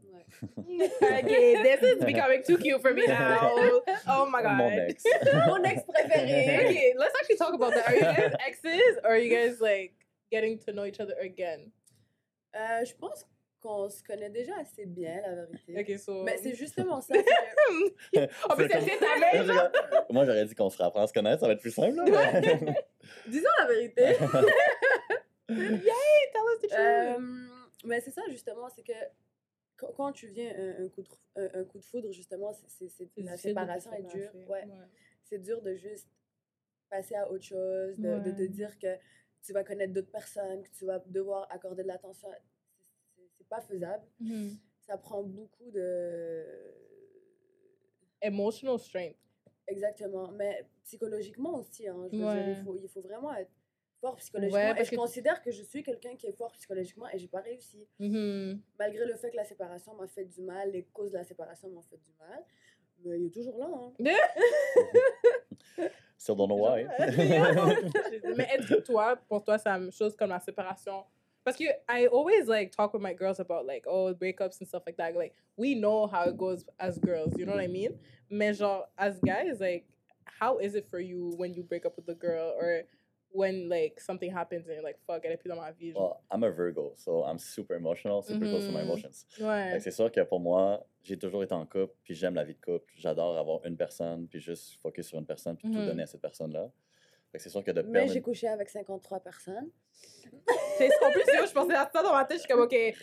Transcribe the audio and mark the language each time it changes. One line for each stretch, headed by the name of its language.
English: Ok, this is becoming too cute for me now. Oh my god.
French: Mon ex. Mon ex préféré.
English: Ok, let's actually talk about that. Are you guys exes or are you guys like getting to know each other again?
French: Je pense qu'on se connaît déjà assez bien, la vérité.
English: Ok, so.
French: Mais c'est justement ça. On peut tester ta main. Moi, j'aurais dit qu'on se rapprend à se connaître, ça va être plus simple. Là, mais... Disons la vérité. Yay, tell us the truth. Mais c'est ça, justement, c'est que quand tu viens un coup de foudre, justement, c'est la séparation est dure. C'est dur de juste passer à autre chose, de te dire que tu vas connaître d'autres personnes, que tu vas devoir accorder de l'attention. C'est pas faisable. Ça prend beaucoup de...
English: Emotional strength.
French: Exactement. Mais psychologiquement aussi, hein, je veux dire, il faut vraiment être... fort psychologiquement, et je considère que je suis quelqu'un qui est fort psychologiquement, et j'ai pas réussi. Malgré le fait que la séparation m'a fait du mal, les causes de la séparation m'ont fait du mal, mais il est toujours là, hein.
English: Still don't know why.
French: Mais est-ce que toi, pour toi, c'est la même chose comme la séparation? Parce que
English: I always, like, talk with my girls about, like, oh, breakups and stuff like that. Like, we know how it goes as girls, you know what I mean?
French: Mais genre,
English: as guys, like, how is it for you when you break up with a girl, or... when, like, something happens and you're like, fuck,
French: elle est plus dans ma vie.
English: Well, I'm a Virgo, so I'm super emotional, super close to my emotions.
French: C'est sûr que pour moi, j'ai toujours été en couple, puis j'aime la vie de couple. J'adore avoir une personne, puis juste focus sur une personne, puis tout donner à cette personne-là. Fait que c'est sûr que de perdre... Mais j'ai couché avec 53 personnes. C'est ce qu'en plus, moi, je pensais à ça dans ma tête, je suis comme, OK.